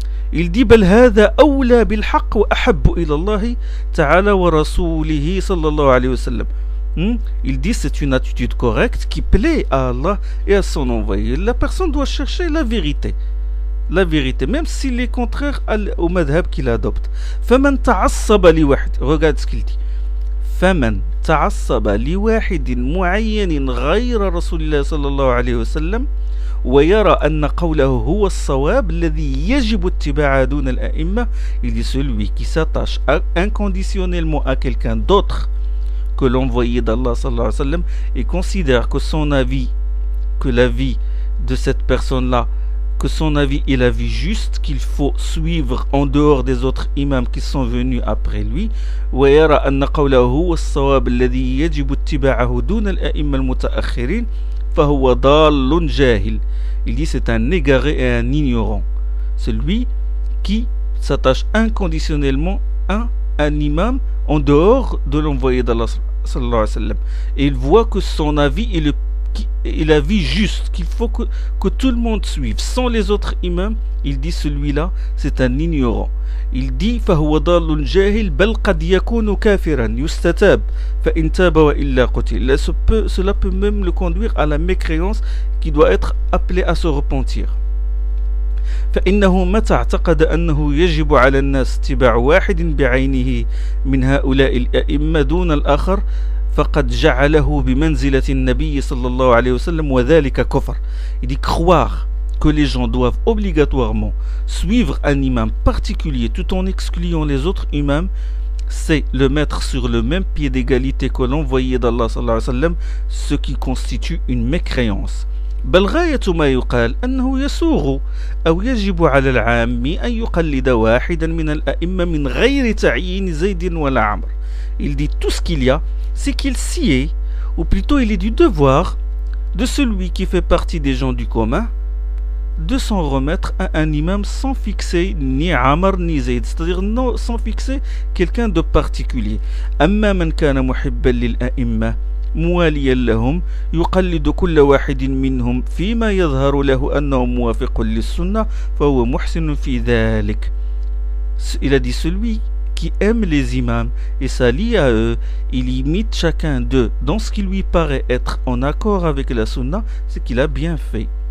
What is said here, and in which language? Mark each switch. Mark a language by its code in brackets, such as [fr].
[fr] Il dit, [ar] بل هذا أولى بالحق وأحب إلى الله تعالى ورسوله صلى الله عليه وسلم. [fr] Il dit, c'est une attitude correcte qui plaît à Allah et à son envoyé. La personne doit chercher la vérité. La vérité, même s'il est contraire au madhab qu'il adopte. [ar] فمن تعصب لواحد. [fr] Regarde ce qu'il dit. [ar] فمن تعصب لواحد معين غير رسول الله صلى الله عليه وسلم ويرى أن قوله هو الصواب الذي يجب اتباعه دون الأئمة. [fr] Il dit, celui qui s'attache inconditionnellement à quelqu'un d'autre que l'envoyé d'Allah صلى الله عليه وسلم et considère que son avis, que l'avis de cette personne-là, que son avis est l'avis juste qu'il faut suivre en dehors des autres imams qui sont venus après lui. [ar] ويرى أن قوله هو الصواب الذي يجب اتباعه دون الأئمة المتأخرين. فهو ضال جاهل. [fr] Il dit, c'est un égaré et un ignorant. Celui qui s'attache inconditionnellement à un imam en dehors de l'envoyé d'Allah sallallahu alayhi wa sallam. Et il voit que son avis est l'avis juste qu'il faut que tout le monde suive sans les autres imams. Il dit, celui-là, c'est un ignorant. Il dit, [ar] فهو ضال جاهل بل قد يكون كافرا يستتاب فإن تاب وإلا قتل. [fr] Cela peut même le conduire à la mécréance qui doit être appelée à se repentir. [ar] فإنه متى اعتقد أنه يجب على الناس اتباع واحد بعينه من هؤلاء الأئمة دون الآخر فقد جعله بمنزلة النبي صلى الله عليه وسلم وذلك كفر. [fr] Il dit, croire que les gens doivent obligatoirement suivre un imam particulier tout en excluant les autres imams, c'est le mettre sur le même pied d'égalité que l'envoyé d'Allah sallallahu alayhi wa sallam, ce qui constitue une mécréance. [ar] بل غاية ما يقال أنه يسوغ أو يجب على العام أن يقلد واحدا من الأئمة من غير تعيين زيد ولا عمر. [fr] Il dit, tout ce qu'il y a, c'est qu'il s'y est, ou plutôt il est du devoir de celui qui fait partie des gens du commun de s'en remettre à un imam sans fixer ni Amr ni Zayd, c'est-à-dire non, sans fixer quelqu'un de particulier. [ar] أما من كان محبا للأئمة مواليا لهم يقلد كل واحد منهم فيما يظهر له أنه موافق للسنة فهو محسن في ذلك. [fr] Il a dit, celui qui aime les imams et s'allie à eux, il imite chacun d'eux dans ce qui lui paraît être en accord avec la sunna, c'est qu'il a bien fait.